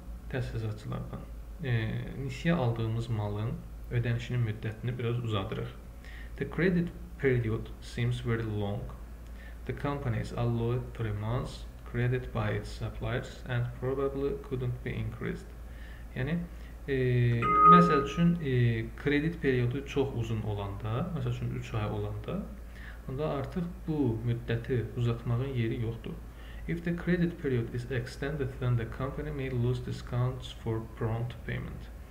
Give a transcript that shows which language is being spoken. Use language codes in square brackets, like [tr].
[az] Təchizatçılardan nisiyə aldığımız malın ödənişinin müddətini biraz uzadırıq. [en] The credit period seems very long. The company is allowed 3 months credit by its suppliers and probably couldn't be increased. [az] Yəni, məsəl üçün, kredit periodu çox uzun olanda, məsəl üçün 3 ay olanda, onda artıq bu müddəti uzatmağın yeri yoxdur. [en] If the credit period is extended, then the company may lose discounts for prompt payment.